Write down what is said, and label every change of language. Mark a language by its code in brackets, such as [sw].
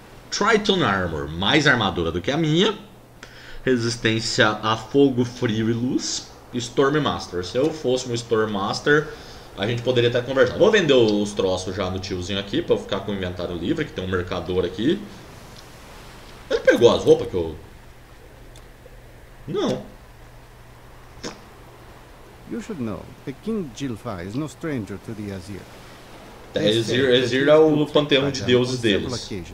[pt] Triton Armor. Mais armadura do que a minha. Resistência a fogo, frio e luz. Stormmaster. Se eu fosse um Stormmaster, a gente poderia até conversar. Vou vender os troços já no tiozinho aqui, pra eu ficar com o inventário livre, que tem um mercador aqui. Ele pegou as roupas que eu... Não. [en] You should know, the King Jilfa is no stranger to the Azir. [pt] Azir é o panteão de deuses deles.